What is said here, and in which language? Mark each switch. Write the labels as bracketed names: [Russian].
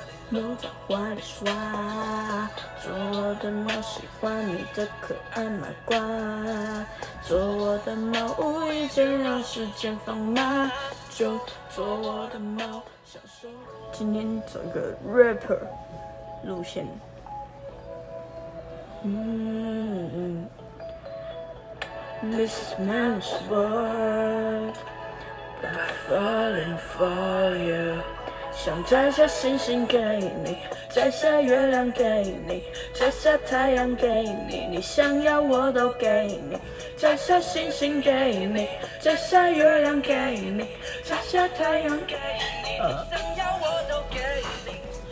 [Chinese] 搂在怀里耍，做我的猫喜欢你的可爱麻瓜，做我的猫无意间让时间放慢，就做我的猫享受。今天走个 rapper 路线， [English] This is man's world, but falling for you. [Chinese] 想摘下星星给你，摘下月亮给你，摘下太阳给你，你想要我都给你，摘下星星给你，摘下月亮给你，摘下太阳给你，想要我都给你。